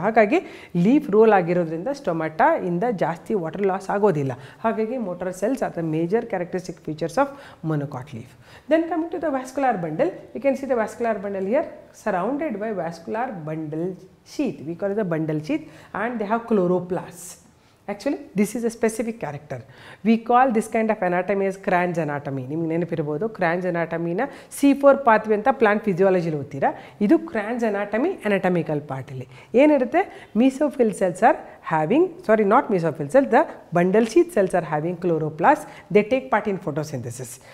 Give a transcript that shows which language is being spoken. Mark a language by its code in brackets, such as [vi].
[kn] ಹಾಗಾಗಿ leaf roll ಆಗಿರೋದ್ರಿಂದ stomata ಇಂದ ಜಾಸ್ತಿ ವಾಟರ್ ಲಾಸ್ ಆಗೋದಿಲ್ಲ. ಹಾಗಾಗಿ [en] Motor cells are the major characteristic features of monocot leaf. Then coming to the vascular bundle, you can see the vascular bundle here surrounded by vascular bundle sheath. We call it the bundle sheath and they have chloroplast. Actually, this is a specific character. We call this kind of anatomy as Kranz anatomy. [kn] ನಿಮಗೆ ನೆನಪಿರಬಹುದು Kranz anatomy ನ C4 pathway ಅಂತ plant ಫಿಸಿಯಾಲಜಿಲಿ ಓದ್ತೀರ. ಇದು Kranz anatomy anatomical part ಅಲ್ಲಿ ಏನಿರುತ್ತೆ, [en] Mesophyll cells are having sorry not mesophyll cells the bundle sheath cells are having chloroplast, they take part in photosynthesis.